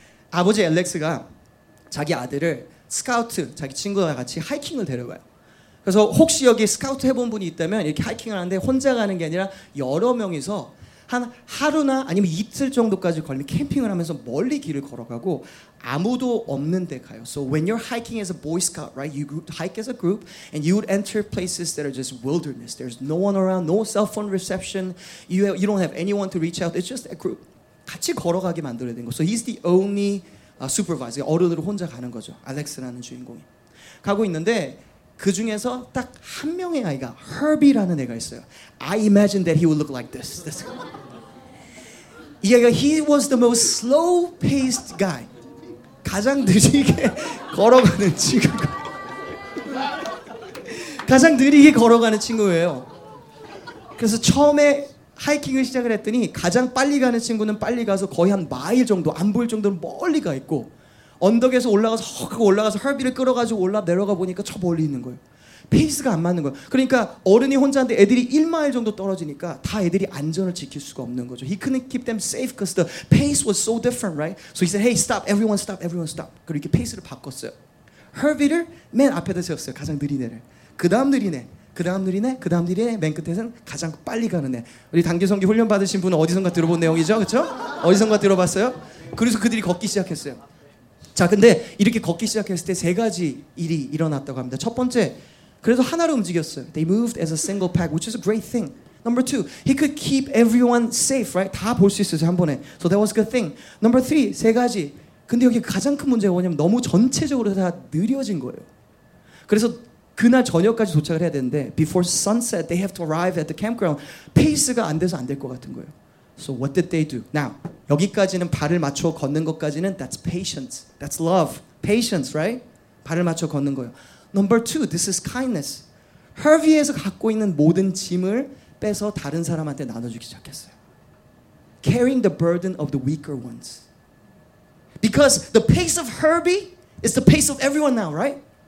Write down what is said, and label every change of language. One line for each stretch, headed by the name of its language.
Korean: 아버지 엘렉스가 자기 아들을 스카우트, 자기 친구와 같이 하이킹을 데려가요. 그래서 혹시 여기 스카우트 해본 분이 있다면 이렇게 하이킹을 하는데 혼자 가는 게 아니라 여러 명이서 한 하루나 아니면 이틀 정도까지 걸리면 캠핑을 하면서 멀리 길을 걸어가고 아무도 없는 데 가요.
English: So when you're hiking as a boy scout, right? You group, hike as a group and you would enter places that are just wilderness. There's no one around, no cell phone reception. You don't have anyone to reach out. It's just a group.
Korean: 같이 걸어가게 만들어야 되는 거.
English: So he's the only... supervisor,
Korean: 어른으로 혼자 가는 거죠. 알렉스라는 주인공이. 가고 있는데 그 중에서 딱 한 명의 아이가 Herbie라는 애가 있어요.
English: I imagine that he would look like this. This guy.
Korean: 이 아이가
English: he was the most slow-paced guy.
Korean: 가장 느리게 걸어가는 친구. 가장 느리게 걸어가는 친구예요. 그래서 처음에 하이킹을 시작을 했더니 가장 빨리 가는 친구는 빨리 가서 거의 한 마일 정도 안 보일 정도로 멀리 가 있고 언덕에서 올라가서 헉 올라가서 허비를 끌어가지고 올라 내려가 보니까 저 멀리 있는 거예요. 페이스가 안 맞는 거예요. 그러니까 어른이 혼자인데 애들이 1마일 정도 떨어지니까 다 애들이 안전을 지킬 수가 없는 거죠.
English: He couldn't keep them safe because the pace was so different, right? So he said, hey, stop, everyone stop, everyone stop.
Korean: 그리고 이렇게 페이스를 바꿨어요. Hervey를 맨 앞에다 세웠어요. 가장 느린 애를. 그 다음 느린 애. 그 다음 느리네, 그 다음 느리네, 맨 끝에는 가장 빨리 가는 애. 우리 단기성기 훈련 받으신 분은 어디선가 들어본 내용이죠, 그렇죠? 어디선가 들어봤어요? 그래서 그들이 걷기 시작했어요. 자, 근데 이렇게 걷기 시작했을 때 세 가지 일이 일어났다고 합니다. 첫 번째, 그래도 하나로 움직였어요.
English: They moved as a single pack, which is a great thing. Number two, he could keep everyone safe, right?
Korean: 다 볼 수 있었어요, 한 번에.
English: So that was a good thing. Number three,
Korean: 세 가지. 근데 여기 가장 큰 문제가 뭐냐면 너무 전체적으로 다 느려진 거예요. 그래서 그날 저녁까지 도착을 해야 되는데
English: before sunset they have to arrive at the campground
Korean: 페이스가 안 돼서 안 될 것 같은 거예요.
English: So what did they do?
Korean: Now 여기까지는 발을 맞춰 걷는 것까지는
English: that's patience, that's love, patience, right?
Korean: 발을 맞춰 걷는 거예요.
English: Number two, this is kindness.
Korean: Hervey에서 갖고 있는 모든 짐을 빼서 다른 사람한테 나눠주기 시작했어요.
English: Carrying the burden of the weaker ones. Because the pace of Hervey is the pace of everyone now, right?